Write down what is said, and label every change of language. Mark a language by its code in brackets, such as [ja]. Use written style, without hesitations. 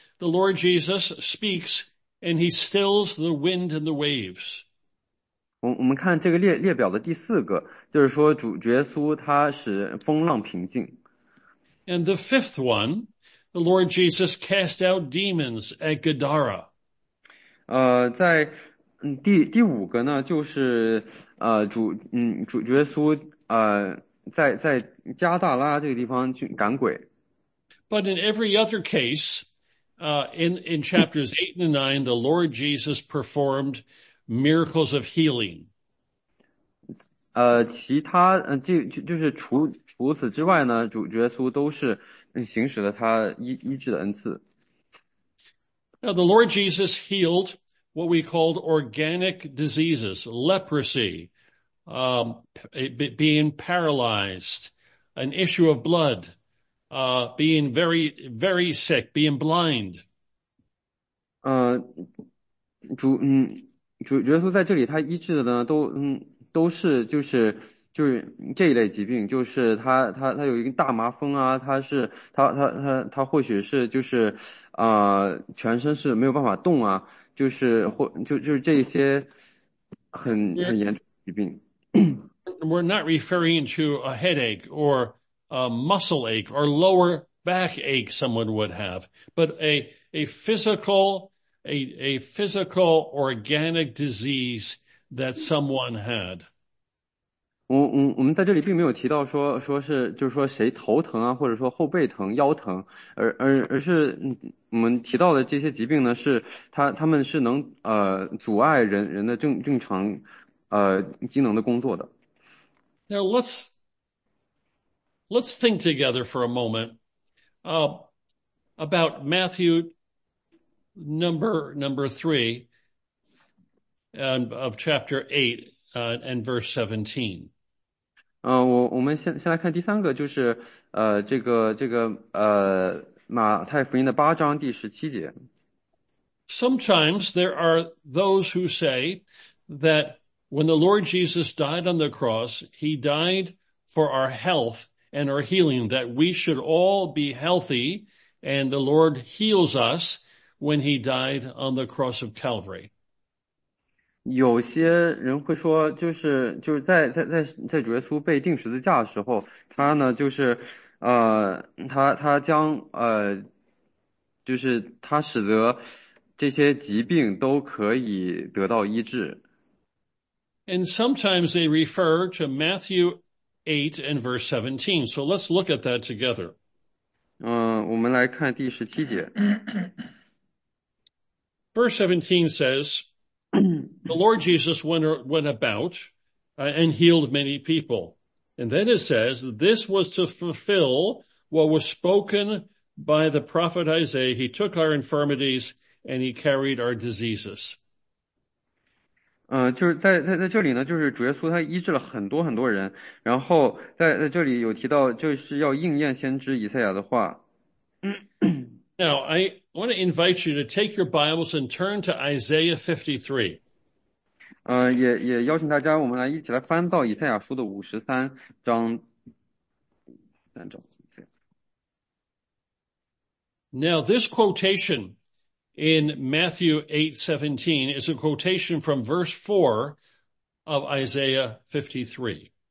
[en] The Lord Jesus speaks and he stills the wind and the waves. [zh] 我们看这个列表的第四个，就是说主耶稣他使风浪平静。 [en] And the fifth one, the Lord Jesus cast out demons at Gadara. [zh] 在第五个呢，就是主耶稣在加大拉这个地方去赶鬼。 [en] But in every other case, in chapters 8 and 9, the Lord Jesus performed miracles of healing. [zh] 其他就是除此之外呢，主耶稣都是行使了他医治的恩赐。 [en] Now the Lord Jesus healed what we called organic diseases, leprosy, being paralyzed, an issue of blood, being very, very sick, being blind. [zh] 主耶稣在这里他医治的呢，都是就是这一类疾病，就是他有一个大麻风啊，他是他或许是就是全身是没有办法动啊，就是或就就是这些很严重的疾病。 [en] We're not referring to a headache or a muscle ache or lower back ache someone would have, but a physical organic disease that someone had. [zh] 我们在这里并没有提到说是就是说谁头疼啊，或者说后背疼、腰疼，而是我们提到的这些疾病呢，是他们是能阻碍人的正常机能的工作的。 [en] Now let's think together for a moment, about Matthew number 3 and of chapter 8 and verse 17. [zh] 我们先来看第三个，就是马太福音的八章第十七节。 [en] Sometimes there are those who say that when the Lord Jesus died on the cross, he died for our health and our healing, that we should all be healthy, and the Lord heals us when he died on the cross of Calvary. [zh] 有些人会说，就是在主耶稣被钉十字架的时候，他呢就是他将就是他使得这些疾病都可以得到医治。 [en] And sometimes they refer to Matthew 8 and verse 17. So let's look at that together. [zh] 我们来看第十七节。 [en] Verse 17 says, the Lord Jesus went about and healed many people. And then it says, this was to fulfill what was spoken by the prophet Isaiah. He took our infirmities and he carried our diseases. [zh] 就是在这里呢，就是主耶稣他医治了很多很多人，然后在这里有提到，就是要应验先知以赛亚的话。 [en] Now, I want to invite you to take your Bibles and turn to Isaiah 53. [zh] 也邀请大家，我们来一起来翻到以赛亚书的53章。 [en] Now, this quotation in Matthew 8:17 is a quotation from verse 4 of Isaiah 53.